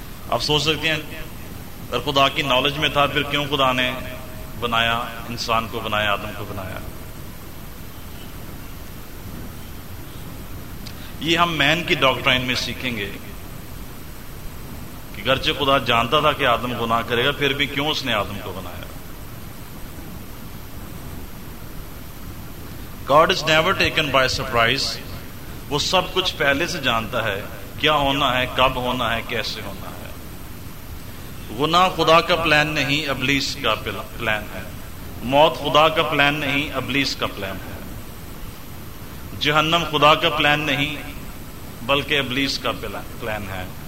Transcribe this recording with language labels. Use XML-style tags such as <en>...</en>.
<ur>آپ سوچ سکتے ہیں اگر خدا کی نالج میں تھا پھر کیوں خدا نے بنایا، انسان کو بنایا، آدم کو بنایا. یہ ہم مین کی ڈاکٹرائن میں سیکھیں گے کہ گرچہ خدا جانتا تھا کہ آدم گناہ کرے گا، پھر بھی کیوں اس نے آدم کو بنایا.</ur> <en>God is never taken by surprise.</en> <ur>وہ سب کچھ پہلے سے جانتا ہے، کیا ہونا ہے، کب ہونا ہے، کیسے ہونا ہے. گناہ خدا کا پلان نہیں، ابلیس کا پلان ہے. موت خدا کا پلان نہیں، ابلیس کا پلان ہے. جہنم خدا کا پلان نہیں بلکہ ابلیس کا پلان ہے.</ur>